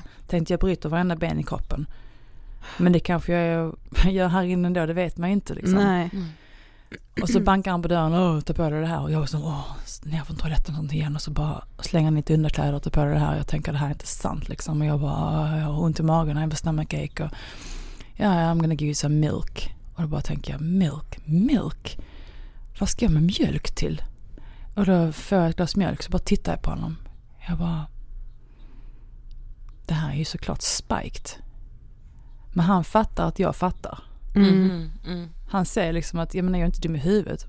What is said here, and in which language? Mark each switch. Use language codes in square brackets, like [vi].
[sv] Tänkte, jag bryter varenda ben i kroppen. Men det kanske jag gör här inne då, det vet man inte liksom. Nej. Och så bankar han på dörren och tar på det här. Och jag var som, ner från toaletten och sånt igen. Och så bara slänger han lite underkläder och tar på det här. Jag tänker, det här är inte sant liksom. Och jag bara, jag har ont i magen, [en] I'm a stomachache. Och yeah, I'm gonna give you some milk. [sv] Och då bara tänker jag, milk? Vad ska jag med mjölk till? Och då får jag ett glas mjölk, så bara tittar jag på honom. Jag bara, det här är ju såklart spiked. Men han fattar att jag fattar. Han säger liksom att, ja, men jag är inte dum i huvudet.